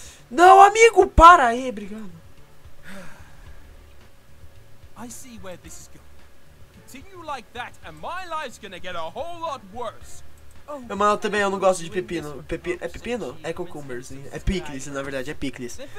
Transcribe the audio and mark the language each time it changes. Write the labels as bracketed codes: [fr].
[pt] Não, amigo, para aí, obrigado. [en] I see where this is going. Continue like that and my life's gonna get a whole lot worse. [pt] Eu, mano, também eu não gosto de pepino. É pepino? É cucumbers. É picles, na verdade, é picles.